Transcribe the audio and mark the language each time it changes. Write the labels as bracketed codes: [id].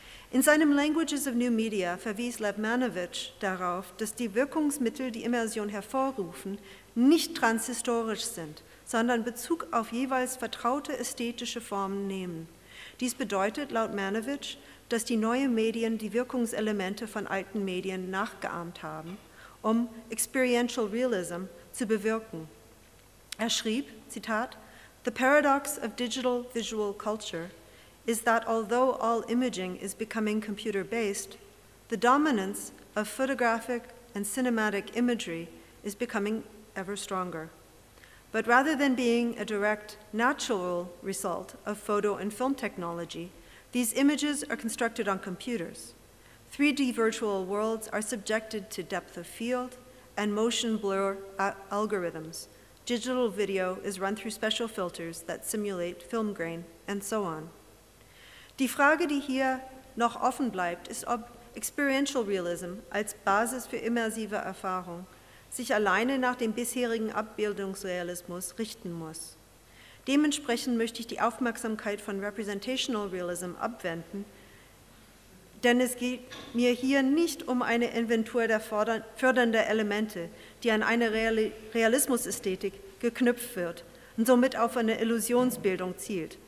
[de] In seinem Languages of New Media verwies Lev Manovich darauf, dass die Wirkungsmittel, die Immersion hervorrufen, nicht transhistorisch sind, sondern Bezug auf jeweils vertraute ästhetische Formen nehmen. Dies bedeutet, laut Manovich, dass die neuen Medien die Wirkungselemente von alten Medien nachgeahmt haben, um Experiential Realism zu bewirken. Er schrieb, Zitat, [en] "The paradox of digital visual culture is that although all imaging is becoming computer-based, the dominance of photographic and cinematic imagery is becoming ever stronger. But rather than being a direct natural result of photo and film technology, these images are constructed on computers. 3D virtual worlds are subjected to depth of field and motion blur algorithms Digital video is run through special filters that simulate film grain and so on. [de] Die Frage, die hier noch offen bleibt, ist, ob Experiential Realism als Basis für immersive Erfahrung sich alleine nach dem bisherigen Abbildungsrealismus richten muss. Dementsprechend möchte ich die Aufmerksamkeit von Representational Realism abwenden, denn es geht mir hier nicht um eine Inventur der fördernden Elemente, die an eine Realismusästhetik geknüpft wird und somit auf eine Illusionsbildung zielt.